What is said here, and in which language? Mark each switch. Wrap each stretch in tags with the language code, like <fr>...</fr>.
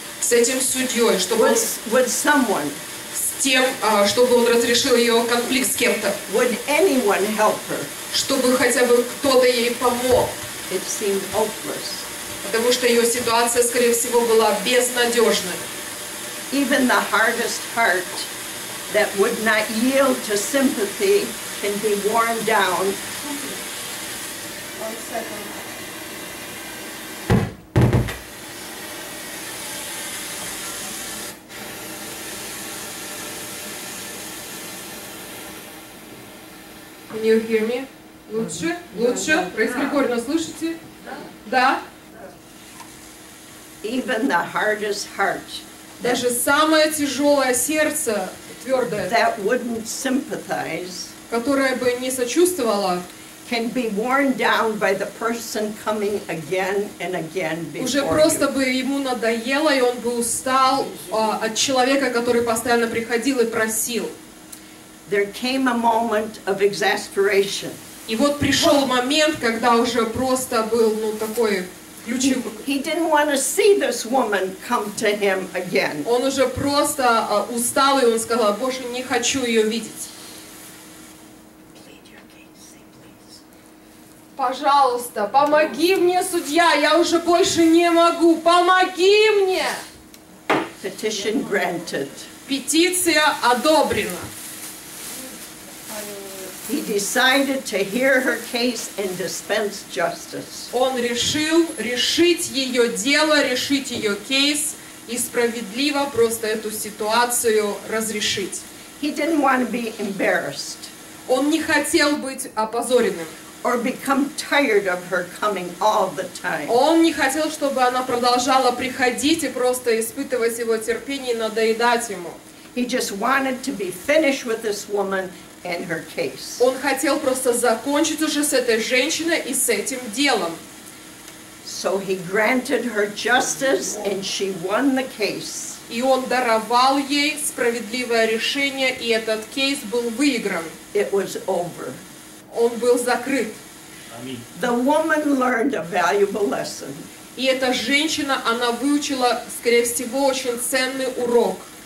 <ru>С этим судьей, чтобы</ru> <en>with, with someone.</en> <ru>С тем, чтобы он разрешил ее конфликт с кем-то.</ru> <en>Would anyone help her?</en> <ru>Чтобы хотя бы кто-то ей помог.</ru> <en>It seemed hopeless.</en> <ru>Потому что ее ситуация, скорее всего, была безнадежной.</ru> <en>Even the hardest heart that would not yield to sympathy can be worn down. One second. Can you hear me?</en> <ru>Лучше? Лучше? Происпрекорно слышите? Да?</ru> <en>Even the hardest heart.</en> <ru>Даже самое тяжелое сердце, твердое,</ru> <en>that wouldn't sympathize,</en> <ru>которое бы не сочувствовало,</ru> <en>can be worn down by the person coming again and again before you.</en> <ru>Уже просто бы ему надоело, и он бы устал от человека, который постоянно приходил и просил.</ru> <en>There came a moment of exasperation.</en> <ru>И вот пришел момент, когда уже просто был, ну, такой ключевой.</ru> <en>He didn't want to see this woman come to him again.</en> <ru>Он уже просто устал, и он сказал: Боже, не хочу ее видеть. Пожалуйста, помоги мне, судья, я уже больше не могу, помоги мне!</ru> <en>Petition granted.</en> <ru>Петиция одобрена.</ru> <en>He decided to hear her case and dispense justice.</en> <ru>Он решил решить ее дело, решить ее кейс и справедливо просто эту ситуацию разрешить.</ru> <en>He didn't want to be embarrassed.</en> <ru>Он не хотел быть опозоренным.</ru> <en>Or become tired of her coming all the time.</en> <ru>Он не хотел, чтобы она продолжала приходить и просто испытывать его терпение и надоедать ему.</ru> <en>He just wanted to be finished with this woman. And her case.</en> <ru>Он хотел просто закончить уже с этой женщиной и с этим делом.</ru> <en>So he granted her justice and she won the case.</en> <ru>И он даровал ей справедливое решение, и этот кейс был выигран.</ru> <en>It was over.</en> <ru>Он был закрыт.</ru> <en>The woman learned a valuable lesson.</en> <ru>И эта женщина, она выучила, скорее всего, очень ценный урок.</ru>